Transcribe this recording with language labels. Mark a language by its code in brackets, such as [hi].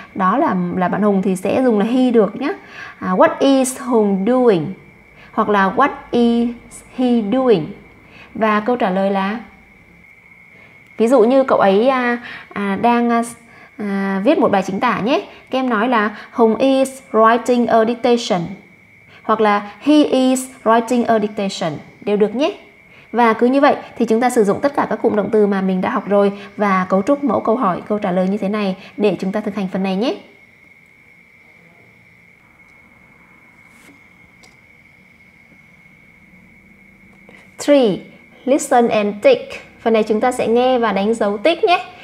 [vi] Đó là bạn Hùng thì sẽ dùng là he được nhé. [en] What is Hùng doing? [vi] Hoặc là [en] what is he doing? [vi] Và câu trả lời là ví dụ như cậu ấy đang viết một bài chính tả nhé. Các em nói là Hùng [en] is writing a dictation. [vi] Hoặc là [en] he is writing a dictation. [vi] Đều được nhé. Và cứ như vậy thì chúng ta sử dụng tất cả các cụm động từ mà mình đã học rồi và cấu trúc mẫu câu hỏi, câu trả lời như thế này để chúng ta thực hành phần này nhé. [en] Three, listen and tick. [vi] Phần này chúng ta sẽ nghe và đánh dấu tick nhé.